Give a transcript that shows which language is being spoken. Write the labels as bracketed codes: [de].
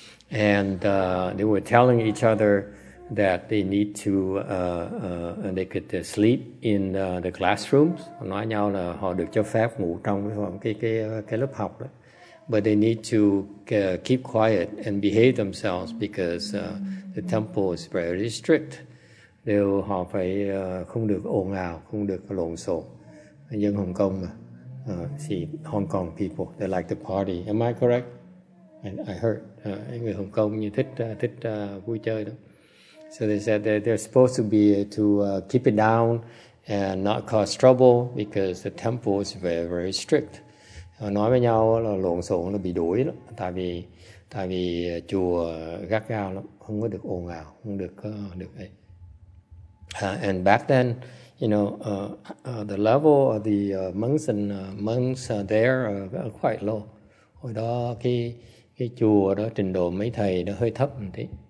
[en] And they were telling each other that they need to they could sleep in the classrooms. [vi] Nói nhau là họ được cho phép ngủ trong cái lớp học đó. [en] But they need to keep quiet and behave themselves because the temple is very strict. [vi] Đều họ phải không được ồn ào, không được lộn xộn. Dân Hồng Kông mà. [en] Hong Kong people, they like to party. Am I correct? I heard [vi] người Hồng Kông như thích vui chơi đó. [en] So they said that they're supposed to be to keep it down and not cause trouble because the temple is very, very strict. [vi] Nói với nhau là lộn xộn là bị đuổi lắm, tại vì chùa gắt gao lắm, không có được ồn ào, không được được ấy. [en] And back then, you know, the level of the monks and monks there are quite low. [vi] Hồi đó cái chùa đó trình độ mấy thầy nó hơi thấp một tí.